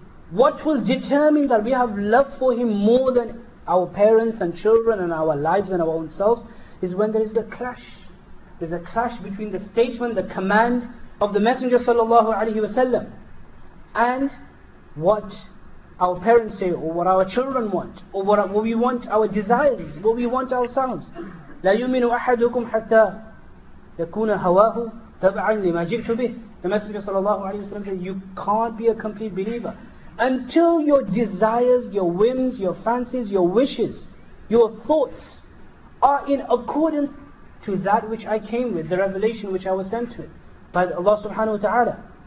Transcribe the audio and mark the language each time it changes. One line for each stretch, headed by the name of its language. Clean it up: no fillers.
English: What will determine that we have love for him more than our parents and children and our lives and our own selves is when there is a clash. There's a clash between the statement, the command of the Messenger sallallahu alayhi wa sallam, and what our parents say, or what our children want, or what we want, our desires, what we want ourselves.
Arabic: لا يؤمن أحدكم حتى يكون هواه تبعا لما جئت به.
English: The Messenger sallallahu alayhi wa sallam said, you can't be a complete believer until your desires, your whims, your fancies, your wishes, your thoughts are in accordance to that which I came with, the revelation which I was sent with by Allah subhanahu wa ta'ala.